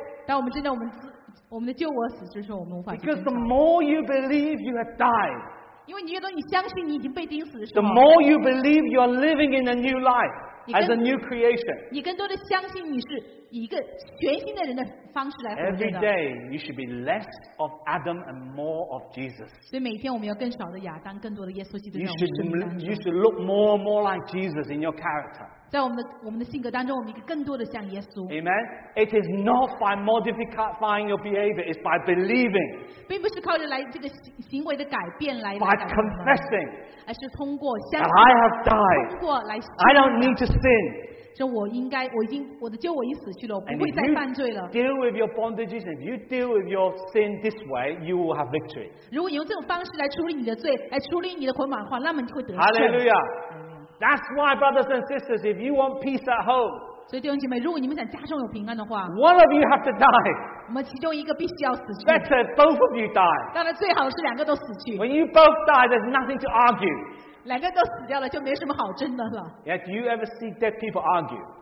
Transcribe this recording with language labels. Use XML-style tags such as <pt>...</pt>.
<zh>但我们知道我们的救我死之后，我们无法。</zh> <en>Because the more you believe you have died.</en> <zh>因为你越多你相信你已经被钉死的时候。</zh> <en>The more you believe you are living in a new life as a new creation.</en> <zh>你更多的相信你是以一个全新的人的方式来活着的。</zh> <en>Every day you should be less of Adam and more of Jesus.</en> <zh>所以每天我们要更少的亚当，更多的耶稣基督。</zh> <en>You should look more and more like Jesus in your character.</en> <zh>在我们的性格当中，我们一个更多的像耶稣。</zh> <en>Amen. It is not by modifying your behavior; it's by believing.</en> <zh>并不是靠着来这个行为的改变来。</zh> <en>By confessing.</en> <zh>而是通过相信。</zh> <en>That I have died.</en> <zh>通过来。</zh> <en>I don't need to sin.</en> <zh>说我应该，我的救我已经死去了，我不会再犯罪了。</zh> <en>Deal with your bondages. If you deal with your sin this way, you will have victory.</en> <zh>如果你用这种方式来处理你的罪，来处理你的捆绑的话，那么你会得胜。</zh> <en>Hallelujah. That's why, brothers and sisters, if you want peace at home,</en> <zh>所以弟兄姐妹，如果你们想家中有平安的话</zh> <en>，one of you have to die.</en> <zh>我们其中一个必须要死去。</zh> <en>Better both of you die.</en> <zh>当然，最好是两个都死去。</zh> <en>When you both die, there's nothing to argue.</en> <zh>两个都死掉了，就没什么好争的了。</zh> <en>Yeah, do you ever see dead people argue?</en>